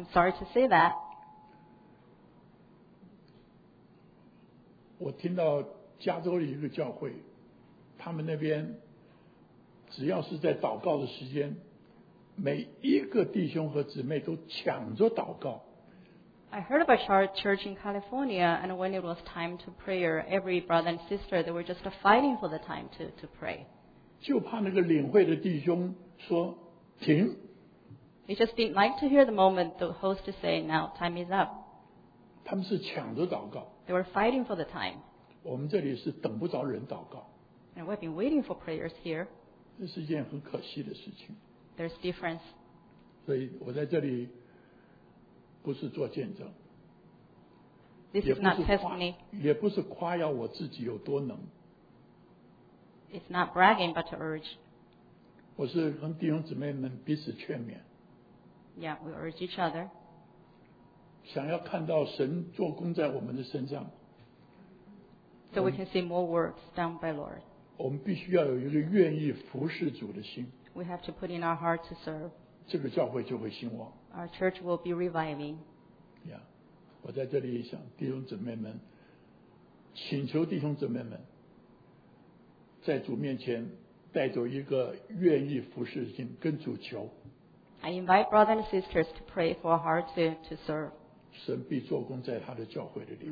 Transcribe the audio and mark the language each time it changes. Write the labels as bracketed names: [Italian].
[English] I'm sorry to say that. [Chinese] 我听到加州的一个教会，他们那边只要是在祷告的时间，每一个弟兄和姊妹都抢着祷告。 [English] I heard about our church in California, and when it was time to prayer, every brother and sister, they were just fighting for the time to pray. [Chinese] 就怕那个领会的弟兄说停。 [English] He just didn't like to hear the moment the host say, now time is up. [Chinese] 他们是抢着祷告。 [English] They were fighting for the time. [Chinese] 我们这里是等不着人祷告。 [English] And we've been waiting for prayers here. [Chinese] 这是一件很可惜的事情。 [English] There's difference. [Chinese] 所以我在这里不是做见证， [English] This is not testimony. [Chinese] 也不是夸耀我自己有多能。 [English] It's not bragging, but to urge. [Chinese] 我是跟弟兄姊妹们彼此劝勉。 [English] Yeah, we urge each other. [Chinese] 想要看到神做工在我们的身上。 [English] So we can see more works done by Lord. [Chinese] 我们必须要有一个愿意服侍主的心。 [English] We have to put in our heart to serve. [Chinese] 这个教会就会兴旺。 [English] Our church will be reviving. [Chinese] Yeah, 我在这里想弟兄姊妹们，请求弟兄姊妹们在主面前带着一个愿意服侍的心跟主求。 [English] I invite brothers and sisters to pray for our heart to serve. [Chinese] 神必做工在他的教会的里面。